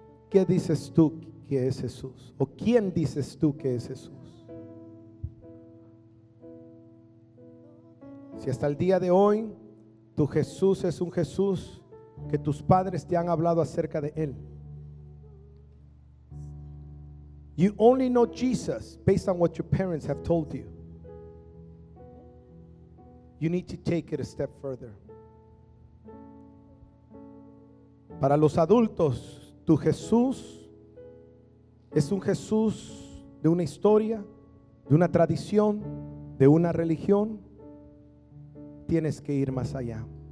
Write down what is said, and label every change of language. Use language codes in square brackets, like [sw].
[es] ¿Qué dices tú que es Jesús? ¿O quién dices tú que es Jesús? Si hasta el día de hoy tu Jesús es un Jesús que tus padres te han hablado acerca de Él. [en] You only know Jesus based on what your parents have told you. You need to take it a step further. [es] Para los adultos, tu Jesús es un Jesús de una historia, de una tradición, de una religión. Tienes que ir más allá.